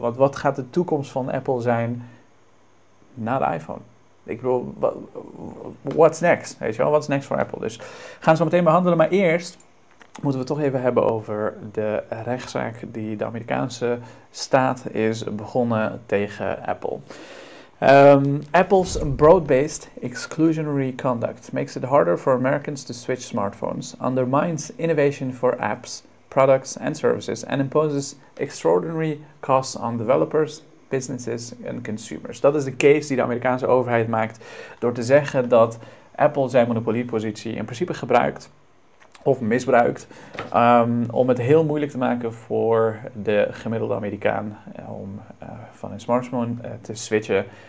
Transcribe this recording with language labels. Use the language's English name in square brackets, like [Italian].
[Dutch] Want wat gaat de toekomst van Apple zijn na de iPhone? Ik bedoel, [English] what's next? [Dutch] Weet je wel, what's next voor Apple? Dus gaan we zo meteen behandelen. Maar eerst moeten we toch even hebben over de rechtszaak die de Amerikaanse staat is begonnen tegen Apple. [English] Apple's broad-based exclusionary conduct makes it harder for Americans to switch smartphones, undermines innovation for apps, products and services, and imposes extraordinary costs on developers, businesses and consumers. [Dutch] Dat is de case die de Amerikaanse overheid maakt door te zeggen dat Apple zijn monopoliepositie in principe gebruikt of misbruikt om het heel moeilijk te maken voor de gemiddelde Amerikaan om van een smartphone te switchen.